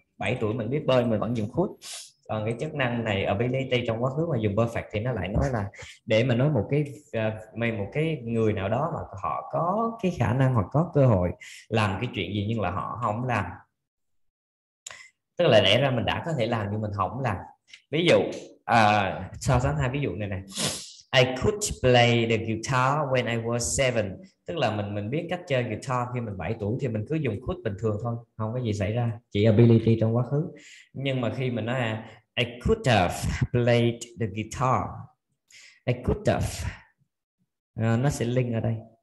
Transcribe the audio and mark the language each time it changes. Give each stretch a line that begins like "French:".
Vietnamese: 7 tuổi mình biết bơi mình vẫn dùng could. Còn cái chức năng này ability trong quá khứ mà dùng perfect thì nó lại nói là để mà nói một cái người nào đó mà họ có cái khả năng hoặc có cơ hội làm cái chuyện gì nhưng là họ không làm. Tức là lẽ ra mình đã có thể làm nhưng mình không làm. Ví dụ so sánh hai ví dụ này nè.
English: I could play the guitar when I was 7.
Vietnamese: Tức là mình biết cách chơi guitar khi mình 7 tuổi thì mình cứ dùng could bình thường thôi, không có gì xảy ra, chỉ ability trong quá khứ. Nhưng mà khi mình nói
English: I could have played the guitar, I could have,
Vietnamese: nó sẽ link ở đây.